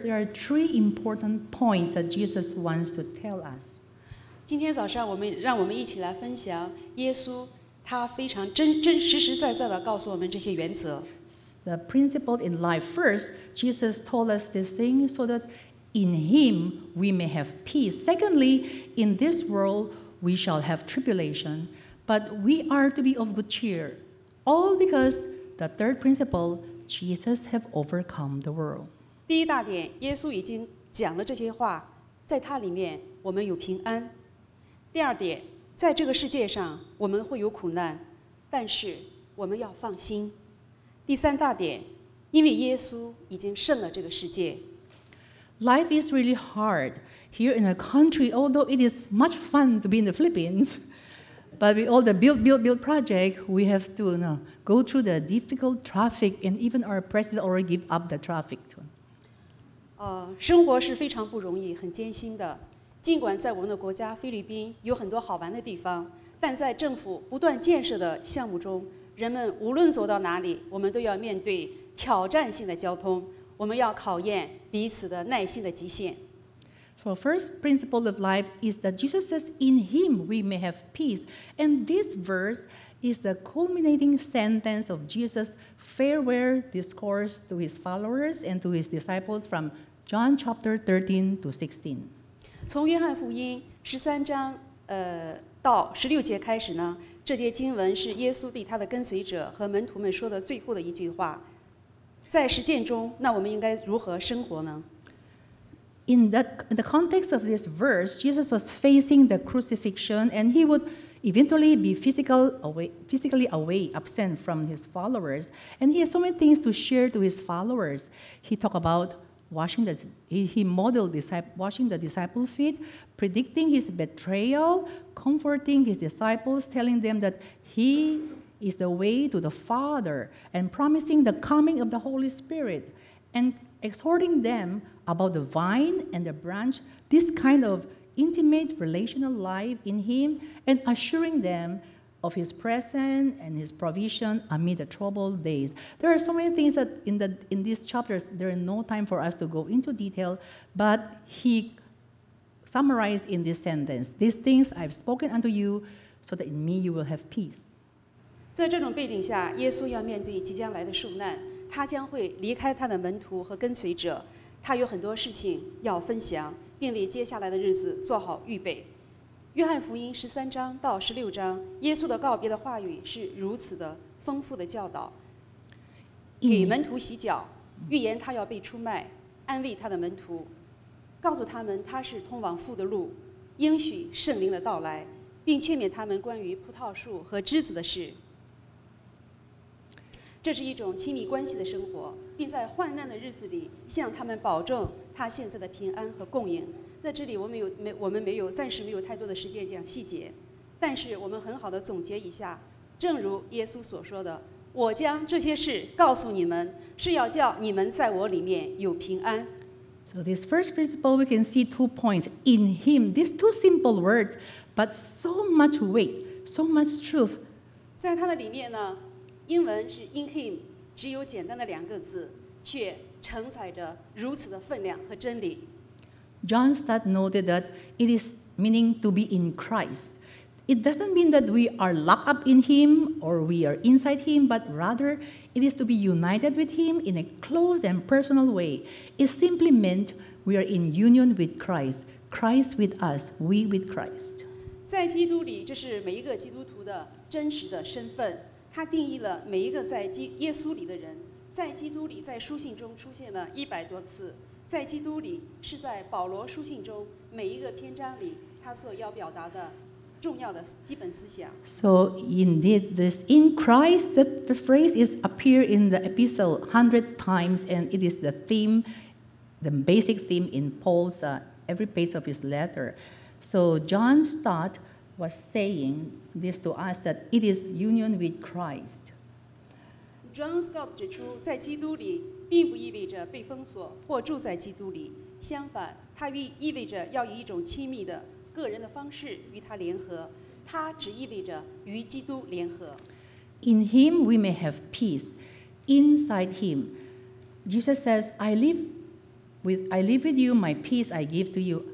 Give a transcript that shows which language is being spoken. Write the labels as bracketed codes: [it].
[en] There are three important points that Jesus wants to tell us. [zh] 今天早上，让我们一起来分享耶稣他非常真实实在在的告诉我们这些原则。 [en] The principle in life. First, Jesus told us this thing so that in Him we may have peace. Secondly, in this world we shall have tribulation, but we are to be of good cheer. All because the third principle. Jesus have overcome the world. [zh] 第一大点，耶稣已经讲了这些话，在他里面我们有平安。第二点，在这个世界上我们会有苦难，但是我们要放心。第三大点，因为耶稣已经胜了这个世界。 [en] Life is really hard here in a country, although it is much fun to be in the Philippines. But with all the build project, we have to go through the difficult traffic, and even our president already give up the traffic too. [zh] 生活是非常不容易，很艰辛的。尽管在我们的国家菲律宾有很多好玩的地方，但在政府不断建设的项目中，人们无论走到哪里，我们都要面对挑战性的交通。我们要考验彼此的耐心的极限。 [en] For first principle of life is that Jesus says, in Him we may have peace. And this verse is the culminating sentence of Jesus' farewell discourse to His followers and to His disciples from John chapter 13 to 16. [zh] 从约翰福音13章到16节开始呢，这节经文是耶稣对他的跟随者和门徒们说的最后的一句话。在实践中，那我们应该如何生活呢？ [en] In the context of this verse, Jesus was facing the crucifixion, and he would eventually be physically away, absent from his followers. And he has so many things to share to his followers. He talked about washing the disciples' feet, predicting his betrayal, comforting his disciples, telling them that he is the way to the Father, and promising the coming of the Holy Spirit, and exhorting them. About the vine and the branch, this kind of intimate relational life in him, and assuring them of his presence and his provision amid the troubled days. There are so many things that in these chapters, there is no time for us to go into detail, but he summarized in this sentence, these things I've spoken unto you, so that in me you will have peace. [zh] 在这种背景下，耶稣要面对即将来的受难，他将会离开他的门徒和跟随者。他有很多事情要分享，并为接下来的日子做好预备。约翰福音十三章到十六章，耶稣的告别的话语是如此的丰富的教导。给门徒洗脚，预言他要被出卖，安慰他的门徒，告诉他们他是通往父的路，应许圣灵的到来，并劝勉他们关于葡萄树和枝子的事。这是一种亲密关系的生活，并在患难的日子里向他们保证他现在的平安和供应。在这里，我们暂时没有太多的时间讲细节，但是我们很好的总结一下，正如耶稣所说的：“我将这些事告诉你们，是要叫你们在我里面有平安。” [en] So this first principle, we can see two points in Him. These two simple words, but so much weight, so much truth. [zh] 在他的里面呢。英文是 [en] in him， [zh] 只有简单的两个字，却承载着如此的分量和真理。 [en] John Stott noted that it is meaning to be in Christ. It doesn't mean that we are locked up in him or we are inside him, but rather it is to be united with him in a close and personal way. It simply meant we are in union with Christ, Christ with us, we with Christ. [zh] 在基督里，这是每一个基督徒的真实的身份。它定义了每一个在耶稣里的人。在基督里，在书信中出现了100多次。在基督里，是在保罗书信中每一个篇章里，他所要表达的重要的基本思想。 [en] So indeed, this in Christ, that the phrase is appear in the epistle 100 times, and it is the theme, the basic theme in Paul's every page of his letter. So John Stott was saying this to us that it is union with Christ. [zh] John Stott 指出，在基督里。并不意味着被封锁或住在基督里，相反，它意味着要以一种亲密的个人的方式与他联合，它只意味着与基督联合。 [en] In him we may have peace. Inside him, Jesus says, I live with you, my peace I give to you.